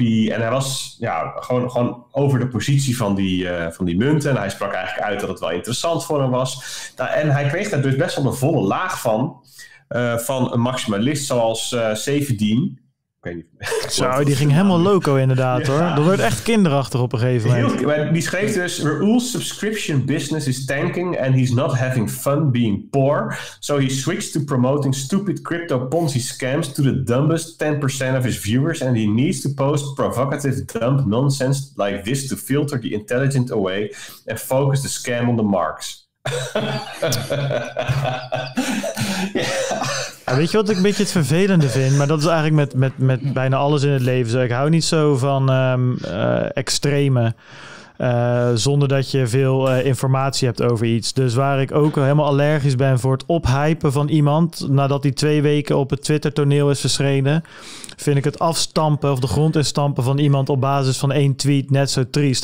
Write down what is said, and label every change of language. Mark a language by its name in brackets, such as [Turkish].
[Dutch] En hij was gewoon over de positie van die munten. En hij sprak eigenlijk uit dat het wel interessant voor hem was. En hij kreeg daar dus best wel een volle laag van een maximalist zoals Sevedin. Die ging helemaal loco inderdaad, hoor. Dat werd echt kinderachtig op een gegeven moment. Die schreef dus, [English] Raoul's subscription business is tanking and he's not having fun being poor. So he switched to promoting stupid crypto Ponzi scams to the dumbest 10% of his viewers and he needs to post provocative dumb nonsense like this to filter the intelligent away and focus the scam on the marks. [Dutch] Ja, weet je wat ik een beetje het vervelende vind? Maar dat is eigenlijk met bijna alles in het leven. Ik hou niet zo van extreme. zonder dat je veel informatie hebt over iets. Dus waar ik ook helemaal allergisch ben voor het ophypen van iemand nadat hij 2 weken op het Twitter toneel is verschenen, vind ik het afstampen of de grond instampen van iemand op basis van 1 tweet net zo triest.